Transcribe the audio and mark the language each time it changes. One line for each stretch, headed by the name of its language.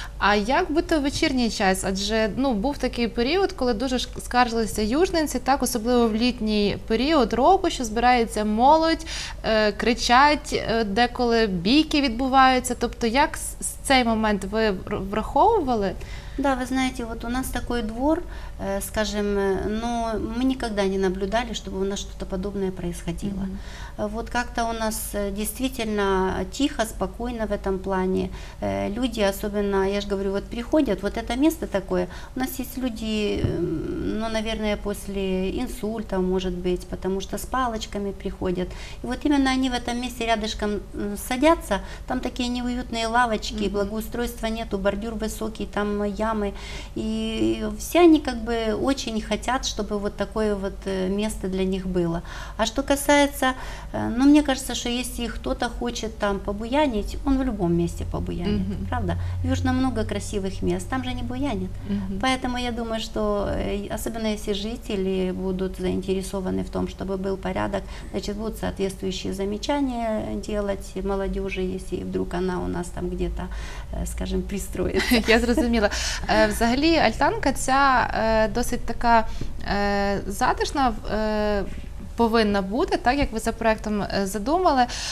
Ukrainian: А як бути у вечірній час? Адже був такий період, коли дуже скаржилися южненці, так, особливо в літній період року, що збирається молодь, кричать, деколи бійки відбуваються. Тобто, як з цей момент ви враховували?
Russian: Да, вы знаете, вот у нас такой двор, скажем, но мы никогда не наблюдали, чтобы у нас что-то подобное происходило. Mm-hmm. Вот как-то у нас действительно тихо, спокойно в этом плане. Люди особенно, я же говорю, вот приходят, вот это место такое. У нас есть люди, наверное, после инсульта, может быть, потому что с палочками приходят. И вот именно они в этом месте рядышком садятся, там такие неуютные лавочки, mm-hmm. благоустройства нету, бордюр высокий, там ямы. И все они как бы очень хотят, чтобы вот такое вот место для них было. А что касается, мне кажется, что если кто-то хочет там побуянить, он в любом месте побуянит, mm-hmm. правда? В Южном много красивых мест, там же не буянит. Mm-hmm. Поэтому я думаю, что особенно если жители будут заинтересованы в том, чтобы был порядок, значит, будут соответствующие замечания делать молодежи, если вдруг она у нас там где-то, скажем, пристроится.
Ukrainian: Я зрозуміла. Взагалі, альтанка ця досить така затишна повинна бути, так, як ви за проєктом задумали.